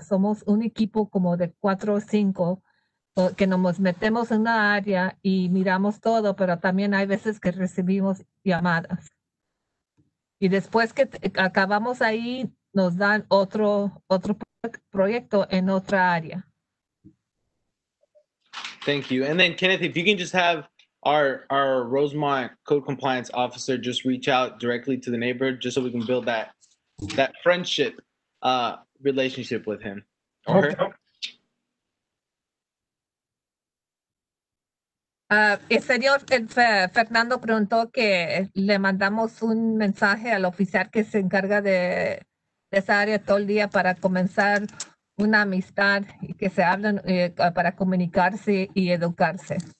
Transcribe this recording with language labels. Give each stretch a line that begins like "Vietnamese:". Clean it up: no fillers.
Spanish: Somos un equipo como de 4 o 5 que nos metemos en una área y miramos todo, pero también hay veces que recibimos llamadas. Y después que acabamos ahí, nos dan otro proyecto en otra área.
English: Thank you. And then, Kenneth, if you can just have our Rosemont code compliance officer just reach out directly to the neighbor, just so we can build that friendship relationship with him or her.
Spanish: El señor Fernando preguntó que le mandamos un mensaje al oficial que se encarga de esa área todo el día para comenzar una amistad y que se hablen para comunicarse y educarse.